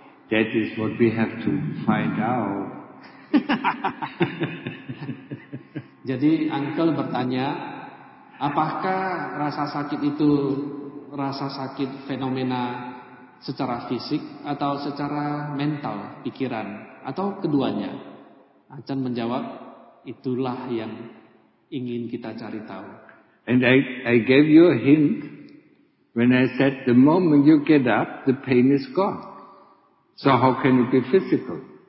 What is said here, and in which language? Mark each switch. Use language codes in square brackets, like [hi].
[en] That is what we have to find out. [id] Jadi uncle bertanya, apakah rasa sakit itu rasa sakit fenomena secara fisik atau secara mental, pikiran, atau keduanya? Achan menjawab, itulah yang ingin kita cari tahu. [en] And I gave you a hint when I said the moment you get up, the pain is gone. So how can it be physical?